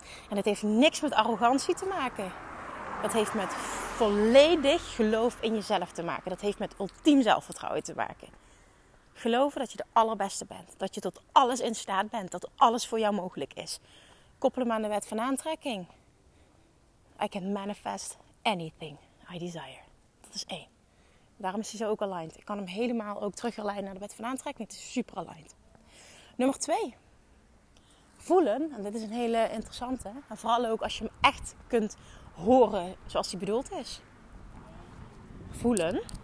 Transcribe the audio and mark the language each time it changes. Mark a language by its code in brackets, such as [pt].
[nl] En het heeft niks met arrogantie te maken. Dat heeft met volledig geloof in jezelf te maken. Dat heeft met ultiem zelfvertrouwen te maken. Geloven dat je de allerbeste bent. Dat je tot alles in staat bent. Dat alles voor jou mogelijk is. Koppel hem aan de wet van aantrekking. [en] I can manifest anything I desire. [nl] Dat is 1. Daarom is hij zo ook aligned. Ik kan hem helemaal ook terugleiden naar de wet van aantrekking. Het is super aligned. Nummer 2. Voelen. En dit is een hele interessante. En vooral ook als je hem echt kunt horen zoals hij bedoeld is. Voelen.